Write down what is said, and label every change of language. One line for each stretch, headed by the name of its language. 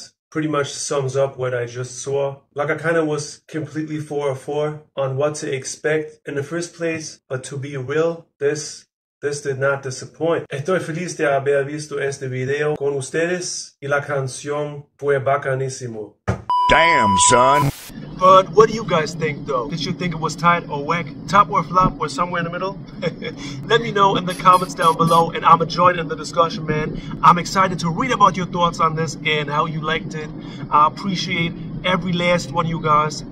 English: Pretty much sums up what I just saw. Like I kind of was completely 404 on what to expect in the first place, but to be real, this did not disappoint.
Spanish: Estoy feliz de haber visto este video con ustedes y la canción fue bacanísimo.
English: Damn, son. But what do you guys think though? Did you think it was tight or whack? Top or flop or somewhere in the middle? Let me know in the comments down below and I'ma join in the discussion, man. I'm excited to read about your thoughts on this and how you liked it. I appreciate every last one of you guys.